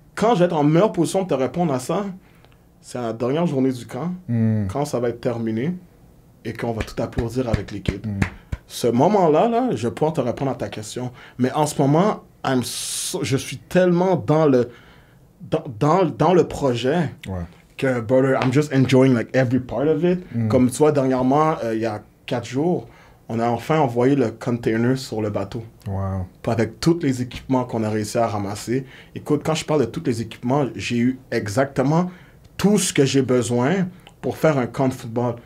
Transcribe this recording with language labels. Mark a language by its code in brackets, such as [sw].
[fr] Quand je vais être en meilleure position de te répondre à ça, c'est à la dernière journée du camp, quand ça va être terminé et qu'on va tout applaudir avec l'équipe. Mm. Ce moment-là, là, je vais pouvoir te répondre à ta question. Mais en ce moment, je suis tellement dans le projet. Ouais. Que, [en] brother, I'm just enjoying like every part of it. Mm. [fr] Comme tu vois, dernièrement, il y a 4 jours, on a enfin envoyé le container sur le bateau. Wow. Avec tous les équipements qu'on a réussi à ramasser. Écoute, quand je parle de tous les équipements, j'ai eu exactement tout ce que j'ai besoin pour faire un camp de football.